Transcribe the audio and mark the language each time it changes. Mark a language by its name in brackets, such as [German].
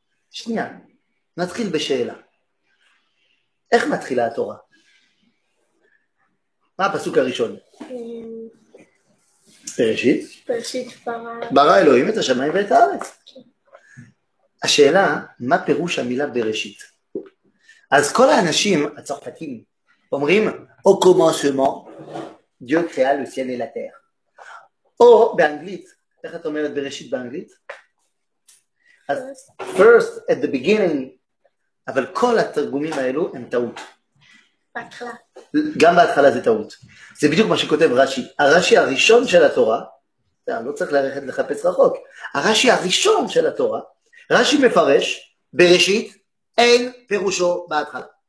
[Hebrew] שנייה, נתחיל בשאלה. איך מתחילה התורה? מה הפסוק הראשון? בראשית? בראשית, ברא. ברא אלוהים את השמיים ואת הארץ. השאלה, מה פירוש המילה בראשית? אז כל האנשים הצרפתים אומרים, או [French] commencement, Dieu créa le ciel et la terre. [Hebrew] או באנגלית, איך את אומרת בראשית באנגלית? [English] First, at the beginning, [Hebrew] אבל כל התרגומים האלו הם טעות. בהתחלה. גם בהתחלה זה טעות. זה בדיוק מה שכותב רשי. הרשי הראשון של התורה, לא צריך ללכת לחפש רחוק, הרשי הראשון של התורה, רשי מפרש, בראשית, אין פירושו בהתחלה.